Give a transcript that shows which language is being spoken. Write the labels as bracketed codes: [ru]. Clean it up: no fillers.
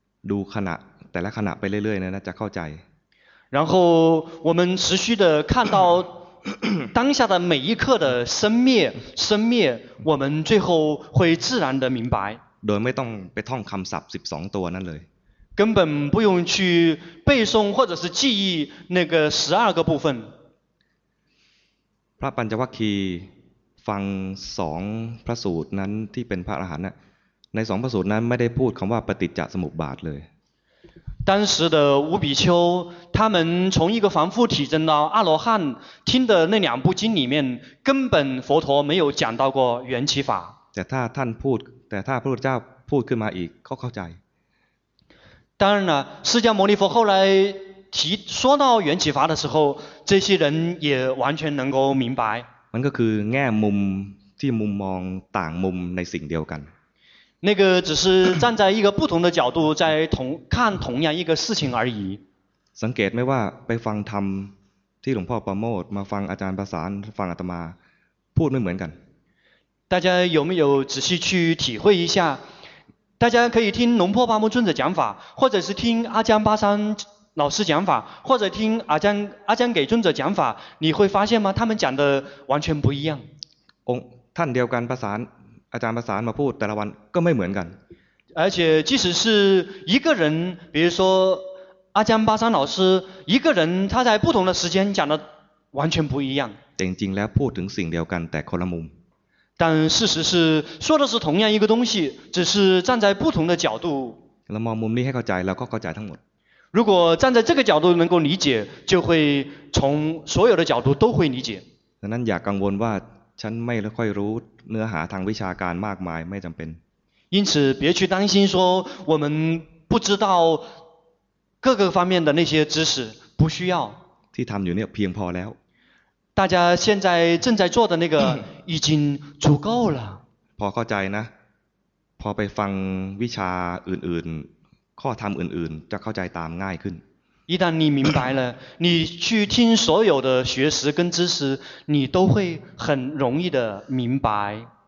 [th] ดูขณะแต่ละขณะไปเรื่อยๆนะจะเข้าใจ [zh] 然后我们持续的看到当下的每一刻的生灭我们最后会自然的明白 [th] โดยไม่ต้องไปท่องคำศัพท์12ตัวนั่นเลย [zh] 根本不用去背诵或者是记忆那个12个部分 [th] พระปัญจวัคคีย์ฟัง2พระสูตรนั้นที่เป็นพระอรหันต์น่ะใน2พระสูตรนั้นไม่ได้พูดคำว่าปฏิจจสมุปบาทเลย [zh] 当时的五比丘他们从一个凡夫体证到阿罗汉听的那两部经里面根本佛陀没有讲到过缘起法 [th] แต่ถ้าท่านพูดแต่ถ้าพระพุทธเจ้าพูดขึ้นมาอีกเขาเข้าใจ [zh] 当然了释迦牟尼佛后来提说到缘起法的时候这些人也完全能够明白 [th] มันก็คือแง่มุมที่มุมมองต่างมุมในสิ่งเดียวกัน นั่นก็ [zh] 只是站在一个不同的角度在同看同样一个事情而已 [th] สังเกตไหมว่าไปฟังธรรมที่หลวงพ่อประโมทมาฟังอาจารย์ประสานฟังอาตมาพูดไม่เหมือนกัน [zh] 大家有没有仔细去体会一下？大家可以听龙破巴木尊者讲法，或者是听阿江巴山老师讲法，或者听阿江给尊者讲法，你会发现吗？他们讲的完全不一样。 [th] องท่านเดียวกันภาษาอาจารย์ภาษามาพูดแต่ละวันก็ไม่เหมือนกัน。 [zh] 而且即使是一个人，比如说阿江巴山老师一个人，他在不同的时间讲的完全不一样。 [th] จริงๆแล้วพูดถึงสิ่งเดียวกันแต่คนละมุม。 [zh] 但事实是说的是同样一个东西，只是站在不同的角度。 [th] เรามองมุมนี้ให้เข้าใจแล้วก็เข้าใจทั้งหมด。 [zh] 如果站在这个角度能够理解，就会从所有的角度都会理解。 [th] ดังนั้นอย่ากังวลว่าฉันไม่ค่อยรู้เนื้อหาทางวิชาการมากมายไม่จำเป็น。 [zh] 因此别去担心说我们不知道各个方面的那些知识，不需要。 [th] ที่ทำอยู่เนี่ยเพียงพอแล้ว。 [zh] 大家现在正在做的那个已经足够了。 [th] พอเข้าใจนะพอไปฟังวิชาอื่นๆข้อธรรมอื่นๆจะเข้าใจตามง่ายขึ้น。 [zh] 一旦你明白了，你去听所有的学识跟知识，你都会很容易的明白。